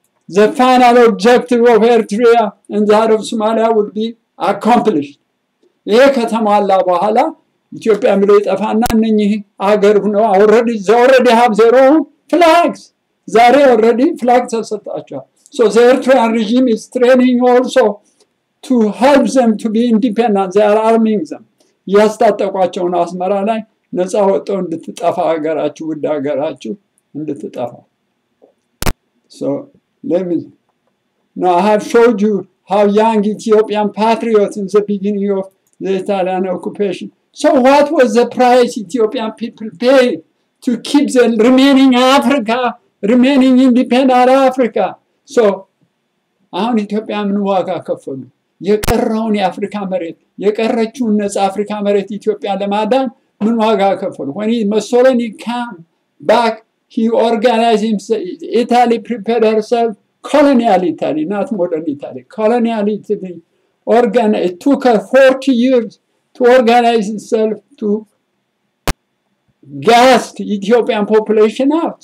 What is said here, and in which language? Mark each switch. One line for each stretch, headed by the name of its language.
English: The final objective of Eritrea and that of Somalia would be accomplished.
Amharic: ይሄ ከተማላ በኋላ ኢትዮጵያ ምድር ይጠፋና እነኚህ አገር ነው
English: already already have their own flags.
Amharic: ዛሬ already flags ተሰጣቸዋል.
English: So the Eritrean regime is training also to help them to be independent. They are arming them.
Amharic: ያስታጠቋቸውን አስመራ ላይ ነፃ ወጥተው እንድትጠፋ ሀገራችሁ ውድ ሀገራችሁ እንድትጠፋ.
English: So let me, now I have showed you how young Ethiopian patriots in the beginning of the Italian occupation. So what was the price Ethiopian people paid to keep the remaining Africa, remaining independent Africa?
Amharic: So, አሁን ኢትዮጵያ ምን ዋጋ ከፈሉ? የቀረውን የአፍሪካ መሬት የቀረችውን ነፃ አፍሪካ መሬት ኢትዮጵያን ለማዳን ምን ዋጋ ከፈሉ?
English: When Mussolini came back, he organized himself, Italy prepared herself, colonial Italy, not modern Italy, colonial Italy organize, it took her 40 years to organize itself to gas the Ethiopian population out.